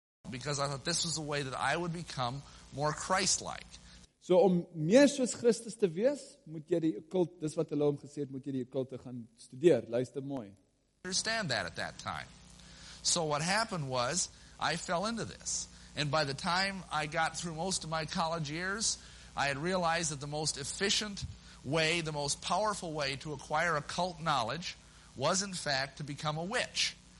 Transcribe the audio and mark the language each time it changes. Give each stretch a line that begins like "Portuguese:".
English: Because I thought this was the way that I would become more Christ-like.
Afrikaans: So om meer soos Christus te wees, moet jy die okkult, dis wat hulle hom gesê het, moet jy die okkulte gaan studeer. Luister mooi.
English: Understand that at that time. So what happened was, I fell into this. And by the time I got through most of my college years, I had realized that the most efficient way, the most powerful way to acquire occult knowledge was in fact to become a witch.